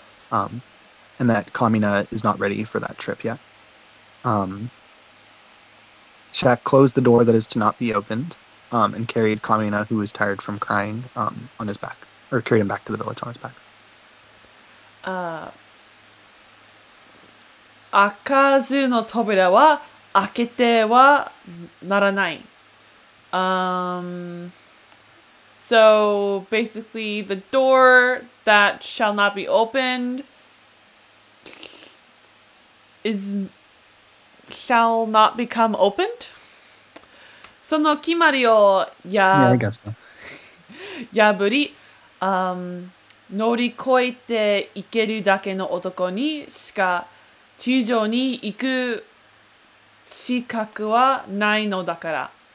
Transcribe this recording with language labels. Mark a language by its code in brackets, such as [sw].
[en] And that Kamina is not ready for that trip yet. Shaq closed the door that is to not be opened. And carried Kamina, who was tired from crying, on his back. Or carried him back to the village on his back. [ja] 開かずの扉は開けてはならない。 [en] So basically the door that shall not be opened shall not become opened? [ja] その決まりを破り、乗り越えていけるだけの男にしか地上に行く資格はないのだから。